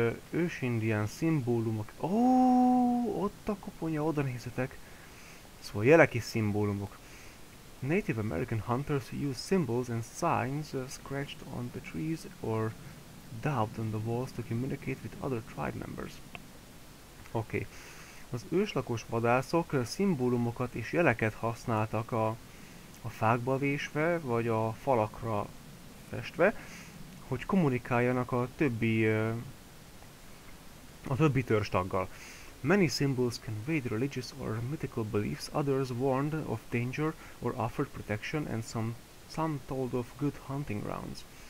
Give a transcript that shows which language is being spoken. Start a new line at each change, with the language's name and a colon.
Hungarian: Ős indián szimbólumok. Ó, ott a koponya, oda nézzetek. Szóval jeleki szimbólumok.
English: Native American hunters use symbols and signs scratched on the trees or daubed on the walls to communicate with other tribe members.
Hungarian: Oké. Az őslakos vadászok szimbólumokat és jeleket használtak a fákba vésve, vagy a falakra festve, hogy kommunikáljanak a többi törzstaggal.
English: Many symbols conveyed religious or mythical beliefs, others warned of danger or offered protection, and some told of good hunting grounds.